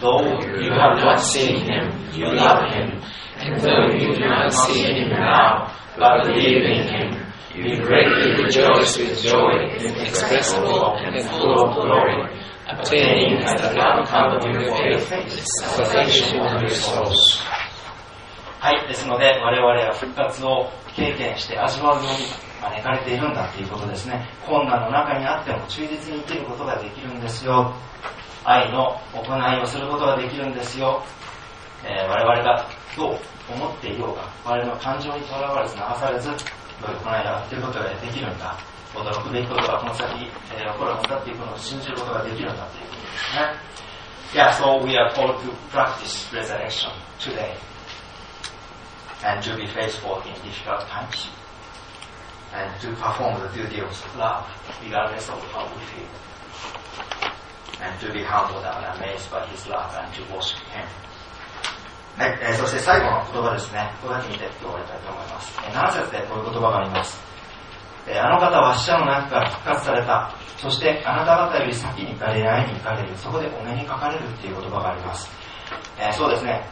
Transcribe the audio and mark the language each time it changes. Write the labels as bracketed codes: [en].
[en] Though you have not seen him, you love him. And though you do not see him now, but believe in him, you greatly rejoice with joy inexpressible and full of glory, obtaining as the outcome of your faith the salvation of your souls. [ja] はい、ですので我々は復活を経験して味わうように招かれているんだということですね。困難の中にあっても忠実に生きることができるんですよ。愛の行いをすることができるんですよ。我々がどう思っていようが、我々の感情にとらわれず流されず、どういう行いをやっていることができるんだ、驚くべきことがこの先、起こるはずだということを信じることができるんだということですね。 [en] Yeah, so we are called to practice resurrection today and to be faithful in difficult timesAnd to perform the duty of love, regardless of how we feel. And to be humbled and amazed by His love and to worship Him. [ja] そして最後の言葉ですね。ここだけ見て終わりたいと思います。何節でこういう言葉があります。あの方は死者の中から復活された。そしてあなた方より先にガリラヤに行かれる。そこでお目にかかれるという言葉があります。そうですね。